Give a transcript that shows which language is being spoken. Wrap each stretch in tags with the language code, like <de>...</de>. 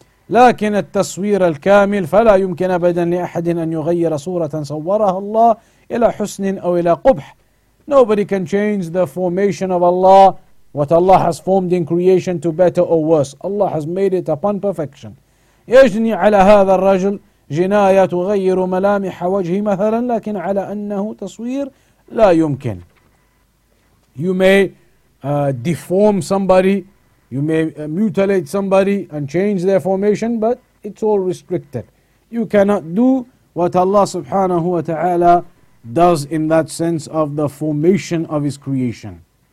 <ar>لكن التصوير الكامل فلا يمكن أبدا لأحد أن يغير صورة صورها الله إلى حسن أو إلى قبح.</ar> <en>Nobody can change the formation of Allah, what Allah has formed in creation, to better or worse. Allah has made it upon perfection.</en> <ar>يجني على هذا الرجل جناية تغير ملامح وجهه مثلا لكن على أنه تصوير لا يمكن.</ar> <en>You may deform somebody, you may mutilate somebody and change their formation, but it's all restricted. You cannot do what Allah subhanahu wa ta'ala does in that sense of the formation of His creation.</en>